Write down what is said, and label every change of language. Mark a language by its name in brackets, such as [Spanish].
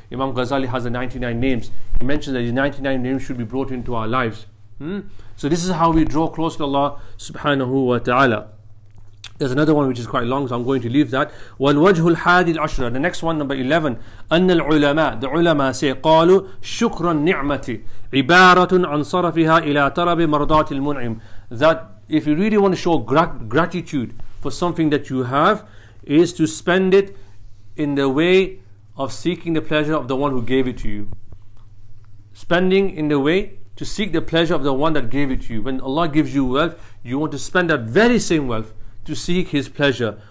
[English] Imam Ghazali has the 99 names. He mentions that these 99 names should be brought into our lives. So this is how we draw close to Allah subhanahu wa ta'ala. There's another one which is quite long, so I'm going to leave that. [Arabic] وَالْوَجْهُ الْحَادِ الْعَشْرَ. The next one, number 11. أَنَّ الْعُلَمَاء. The ulama say, قَالُوا شُكْرًا نِعْمَةِ عِبَارَةٌ عَنْ صَرَفِهَا إِلَىٰ تَرَبِ مَرْضَاتِ الْمُنْعِمِ. [English] That if you really want to show gratitude for something that you have, is to spend it in the way of seeking the pleasure of the one who gave it to you. Spending in the way to seek the pleasure of the one that gave it to you. When Allah gives you wealth, you want to spend that very same wealth to seek His pleasure.